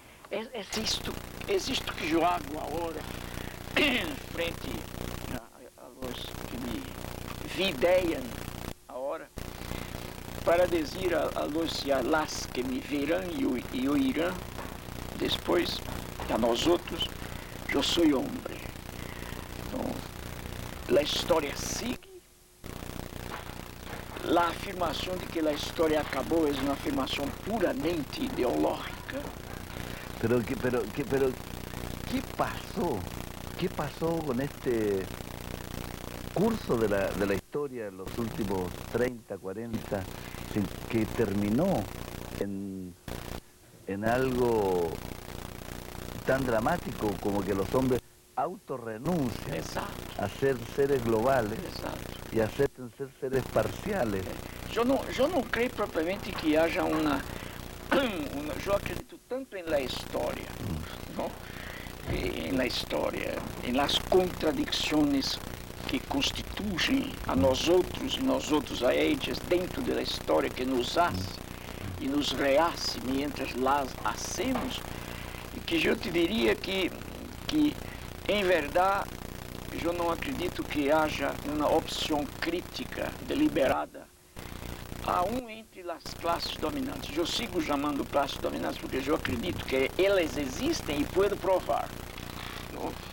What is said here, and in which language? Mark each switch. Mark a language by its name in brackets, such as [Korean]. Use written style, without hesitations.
[Portuguese] É isto que eu [Spanish] hago [Portuguese] agora [Spanish] frente a los [Portuguese] que me videiam agora, para dizer [Spanish] a los e a las [Portuguese] que me verão e oirão depois, a nós outros, eu sou homem. [Spanish] La historia sigue. La afirmación de que la historia acabó es una afirmación puramente ideológica. Pero ¿qué pasó? ¿Qué pasó con este curso de la historia en los últimos 30, 40, que terminó en algo tan dramático como que los hombres autorrenuncia a ser seres globales? Exacto. Y acepten ser seres parciales. Yo no creo propiamente que haya una... Yo acredito tanto en la historia, ¿no? En la historia, en las contradicciones que constituyen a nosotros y nosotros a ellas dentro de la historia que nos hace y nos rehace mientras las hacemos, que yo te diría que [Portuguese] que, em verdade, eu não acredito que haja uma opção crítica deliberada a um entre as classes dominantes. Eu sigo chamando classes dominantes porque eu acredito que elas existem e posso provar. Não?